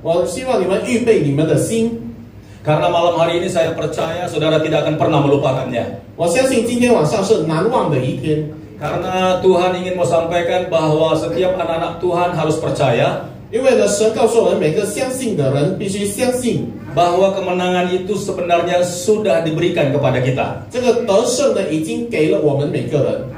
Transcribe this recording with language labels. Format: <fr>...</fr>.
<zh>我希望你们预备你们的心,</zh> <id>karena malam hari ini saya percaya saudara tidak akan pernah melupakannya.</id> <zh>我相信今天晚上是难忘的一天,</zh> <id>karena Tuhan ingin mau sampaikan bahwa setiap anak-anak Tuhan harus percaya.</id> <zh>因为神告诉我们每个相信的人必须相信,</zh> <id>bahwa kemenangan itu sebenarnya sudah diberikan kepada kita.</id> <zh>这个得胜的已经给了我们每个人.</zh>